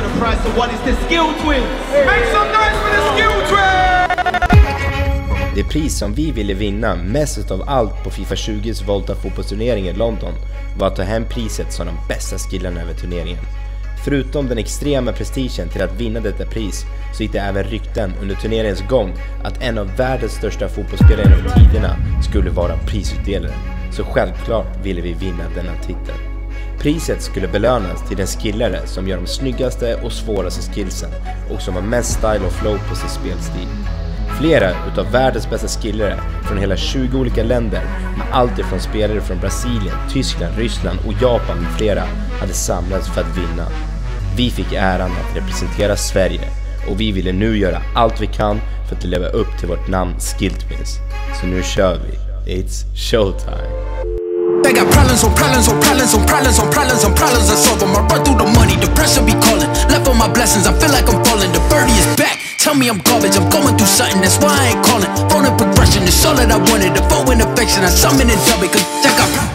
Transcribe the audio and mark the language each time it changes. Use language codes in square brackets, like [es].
[en] guys, so what is the Skill Twins? Hey. Make some noise for the Skill Twins! [sv] Det pris som vi ville vinna mest av allt på FIFA 20s Volta fotbollsturnering i London var att ta hem priset som de bästa skillarna över turneringen. Förutom den extrema prestigen till att vinna detta pris så gick det även rykten under turneringens gång att en av världens största fotbollsspelare genom tiderna skulle vara prisutdelare. Så självklart ville vi vinna denna titel. Priset skulle belönas till den skillare som gör de snyggaste och svåraste skillsen och som har mest style och flow på sin spelstil. Flera utav världens bästa skillare från hela 20 olika länder med allt ifrån spelare från Brasilien, Tyskland, Ryssland och Japan med flera hade samlats för att vinna. Vi fick äran att representera Sverige och vi ville nu göra allt vi kan för att leva upp till vårt namn SkillTwins. Så nu kör vi. [en] It's showtime. They got problems on problems on problems on problems on problems on problems I solve them. I run through the money, depression be calling. Left on my blessings, I feel like I'm falling. The birdie is back. Tell me I'm garbage, I'm going through something, that's why I ain't calling. Phone in progression, it's all that I wanted. A phone in affection, I summon and dub it, cause check out.